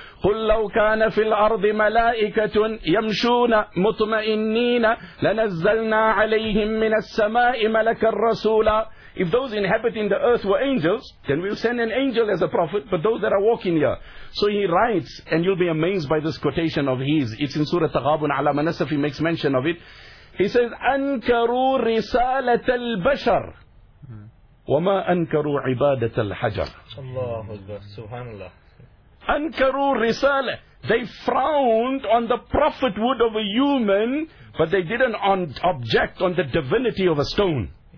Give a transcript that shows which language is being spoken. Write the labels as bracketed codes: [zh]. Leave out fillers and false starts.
[ar] قُلْ لَوْ كَانَ فِي الْأَرْضِ مَلَائِكَةٌ يَمْشُونَ مُطْمَئِنِّينَ لَنَزَّلْنَا عَلَيْهِمْ مِنَ السَّمَاءِ مَلَكًا رَسُولًا. [en] If those inhabiting the earth were angels, then we'll send an angel as a prophet, but those that are walking here. So he writes, and you'll be amazed by this quotation of his. It's in Surah Taghabun, Alama Nasafi makes mention of it. He says, [ar] أَنْكَرُوا رِسَالَةَ الْبَشَرِ وَمَا أَنْكَرُوا عِبَادَةَ الْحَجَرِ. Allah, Allah, Subhanallah. أَنْكَرُوا رِسَالَةَ. [en] They frowned on the prophethood of a human, but they didn't object on the divinity of a stone.